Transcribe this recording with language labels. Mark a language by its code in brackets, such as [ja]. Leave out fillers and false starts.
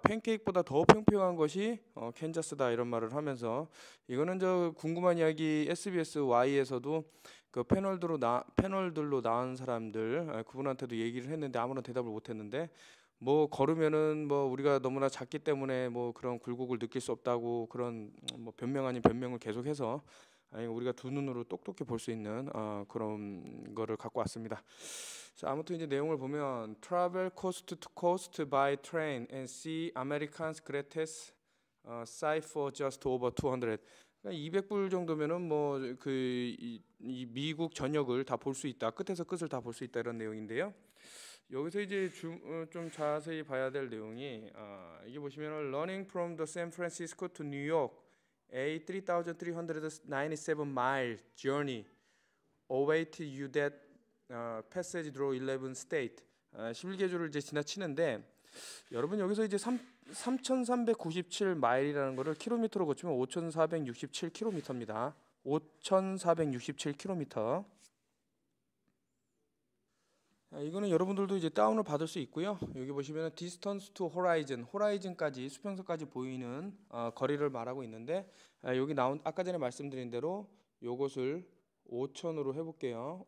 [ko] 팬케이크보다 더 평평한 것이 캔자스다 이런 말을 하면서 이거는 저 궁금한 이야기 SBS Y에서도 그 패널들로 나온 사람들 그분한테도 얘기를 했는데 아무런 대답을 못 했는데 뭐 걸으면은 뭐 우리가 너무나 작기 때문에 뭐 그런 굴곡을 느낄 수 없다고 그런 뭐 변명 아닌 변명을 계속해서 아니 우리가 두 눈으로 똑똑히 볼수 있는 그런 거를 갖고 왔습니다. 자, 아무튼 이제 내용을 보면 [en] Travel coast to coast by train and see America's greatest sight for just over 200. [ko] 200불 정도면은 뭐그이 미국 전역을 다볼수 있다. 끝에서 끝을 다볼수 있다 이런 내용인데요. 여기서 이제 좀 자세히 봐야 될 내용이 이게 보시면은 [en] Learning from the San Francisco to New York. A 3,397-mile journey awaits you that passage through 11 states. [ko] 11개 주를 이제 지나치는데 여러분 여기서 이제 3,397마일이라는 거를 킬로미터로 고치면 5,467km입니다. 5,467km. 이거는 여러분들도 이제 다운을 받을 수 있고요. 여기 보시면은 Distance to Horizon, 호라이즌까지 수평선까지 보이는 거리를 말하고 있는데 여기 나온 아까 전에 말씀드린 대로 요것을 5,000으로 해볼게요.